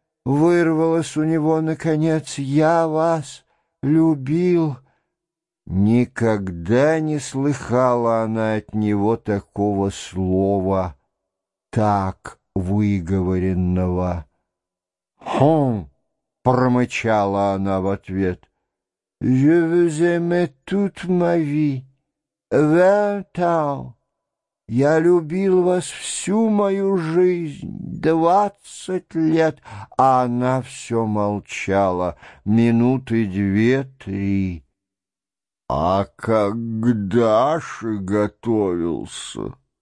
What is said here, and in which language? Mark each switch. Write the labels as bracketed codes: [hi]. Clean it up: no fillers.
[ru] Вырвалось у него наконец. «Я вас любил!» Никогда не слыхала она от него такого слова, так выговоренного. «Хм!» — промычала она в ответ. [fr] «Je vous aime toute ma vie, vingt ans. [ru] Я любил вас всю мою жизнь, 20 лет». А она все молчала, минуты две-три. «А когда же готовился?»